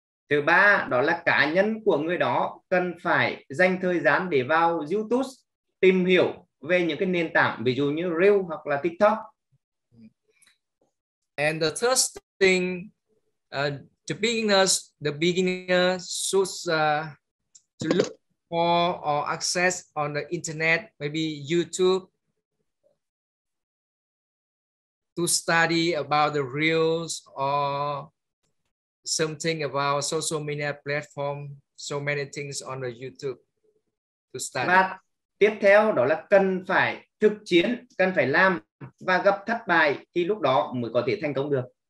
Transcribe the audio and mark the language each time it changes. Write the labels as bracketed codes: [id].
[vi] Thứ ba đó là cá nhân của người đó cần phải dành thời gian để vào YouTube tìm hiểu về những cái nền tảng ví dụ như Reel hoặc là TikTok. [en] And the third thing, The beginner should to look for or access on the internet, maybe YouTube, to study about the reels or something about social media platform, so many things on the YouTube to study. [vi] Và tiếp theo đó là cần phải thực chiến, cần phải làm và gặp thất bại thì lúc đó mới có thể thành công được.